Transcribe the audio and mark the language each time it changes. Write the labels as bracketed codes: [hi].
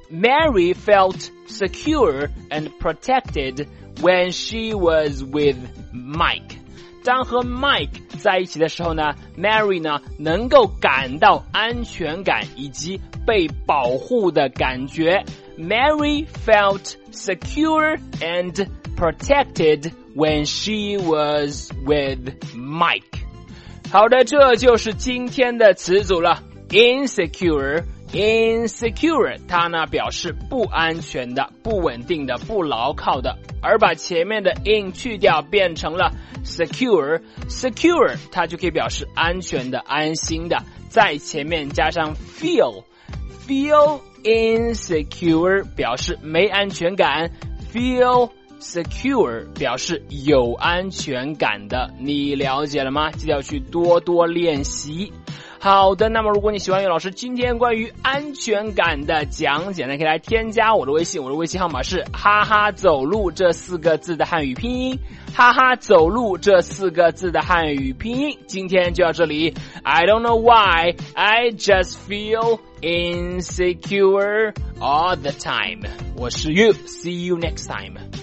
[en] Mary felt secure and protected when she was with Mike. [zh] 当和 Mike 在一起的时候呢， Mary 呢能够感到安全感以及被保护的感觉。 [en] Mary felt secure and protected when she was with Mike. [zh] 好的，这就是今天的词组了。Insecure, insecure, 它呢表示不安全的、不稳定的、不牢靠的。而把前面的 in 去掉变成了 secure, secure, 它就可以表示安全的、安心的。在前面加上 feel, feel,insecure 表示没安全感， feel secure 表示有安全感的，你了解了吗？记得要去多多练习。好的，那么如果你喜欢岳老师今天关于安全感的讲解呢，可以来添加我的微信，我的微信号码是哈哈走路这四个字的汉语拼音，哈哈走路这四个字的汉语拼音。今天就到这里， [en] I don't know why I just feel insecure all the time。 [zh] 我是 [en] You, see you next time。